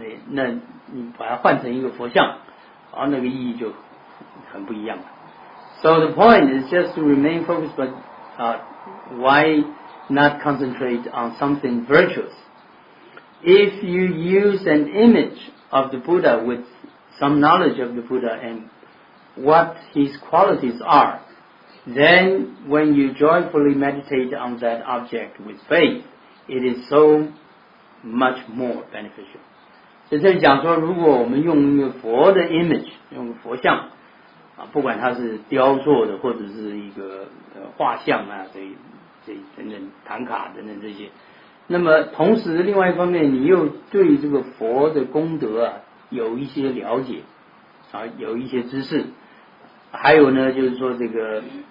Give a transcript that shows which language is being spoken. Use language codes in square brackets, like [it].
[zh] 那你把它换成一个佛像，然后那个意义就很不一样了。 [en] So the point is just to remain focused, but why not concentrate on something virtuous? If you use an image of the Buddha with some knowledge of the Buddha and what his qualities are, then when you joyfully meditate on that object with faith, it is so much more beneficial. [zh] 所以这里讲说，如果我们用一个佛的 image， 用佛像，不管它是雕塑的或者是一个画像啊，这等等坛卡等等这些，那么同时另外一方面，你又对这个佛的功德啊有一些了解啊，有一些知识，还有呢就是说这个